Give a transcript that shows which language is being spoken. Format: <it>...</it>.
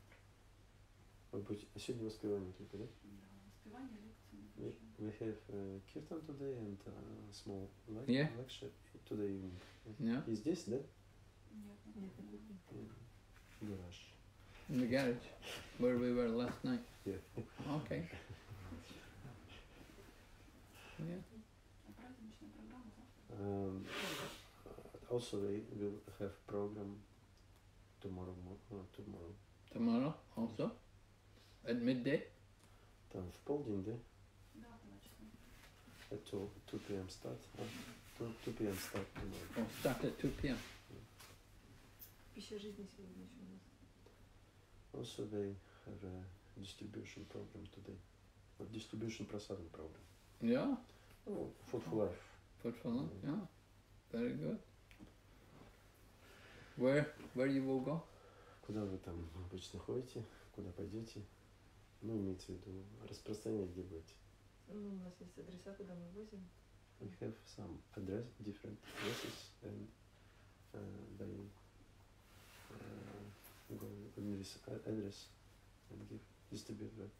<ru>Праздничная программа завтра. Сегодня воспевание только, да? Да, воспевание, лекции.</ru> <en>We have kirtan today and a small lecture today evening. Yeah.</en> <ru>И здесь, да? Нет. В гараж.</ru> <en>In the garage, where we were last night. Yeah. Okay. Yeah.</en> <ru>А праздничная программа завтра?</ru> <en>Also, we will have program tomorrow. Tomorrow. Tomorrow also, at midday.</en> <ru>Там в полдень, да? Да, точно.</ru> <en>At 2 p.m. start. 2 p.m. start tomorrow. Oh, start at 2 p.m.</en> <ru>Пища жизни сегодня еще у нас.</ru> <en>Also, they have a distribution program today. A distribution prasadam program. Yeah. Oh, food for life. Food for life. Yeah. Very good. Where you will go?</en> <ru>Куда вы там обычно ходите? Куда пойдете? Ну, имеется в виду распространение, где будете? Ну, у нас есть адреса, куда мы возим.</ru> <en>We have some address, different addresses, and they go in this address and give distribute.</en>